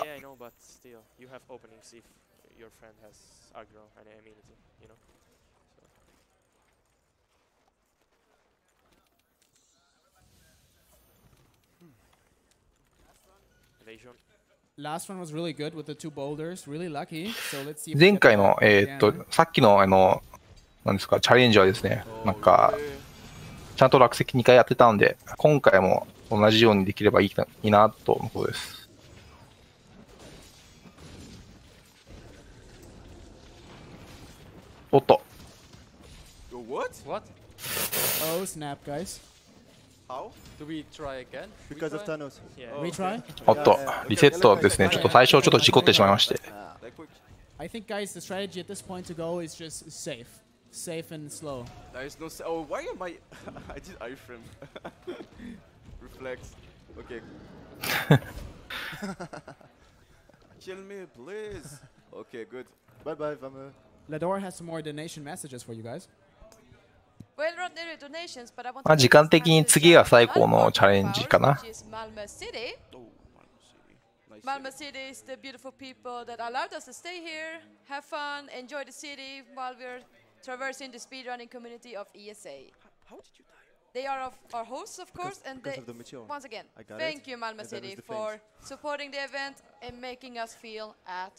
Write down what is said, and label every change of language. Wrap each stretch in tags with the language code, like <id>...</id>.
<en>Yeah, I know, but still, you have openings if your friend has aggro and amenity, you know. So. Evasion. Last one was really good with the two boulders. Really lucky. So let's see.</en> <ja>前回のさっきのなんですか、チャレンジはですね、なんかちゃんと落石2回やってたんで、今回も同じようにできればいいなと思うことです。おっと、</ja> <en>What? Oh snap guys, How? Do we try again? Because of Thanos. Yeah. We try?</en> <ja>おっとリセットですね。ちょっと最初ちょっと事故ってしまいまして、</ja> <en>I think guys the strategy at this point to go is just safeSafe and slow. There is no sa- Oh, why am I- I did iframe. Reflex. Okay. Kill me, please. Okay, good. Bye-bye, Vamo. Lador has some more donation messages for you guys. Well, not really donations, but I want to-</en> <ja>まあ、時間的に次が最高のチャレンジかな。</ja> <en>Malmö City. Malmö City is the beautiful people that allowed us to stay here, have fun, enjoy the city while we're-traversing the speedrunning community of ESA. How did you die? They are of our hosts, of course, because they once again, thank it. You, Malmö City, for supporting the event and making us feel at</en>